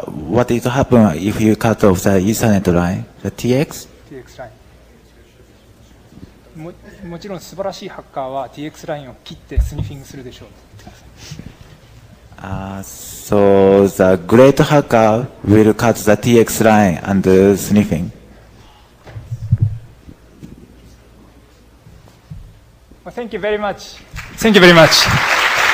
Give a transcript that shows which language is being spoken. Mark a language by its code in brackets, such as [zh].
[en] What is happen if you cut off the Ethernet line, the TX? TX line. [ja] もちろん素晴らしいハッカーは TX ラインを切ってスニフィングするでしょう。 [en] So the great hacker will cut the TX line and sniffing. Well, thank you very much. Thank you very much.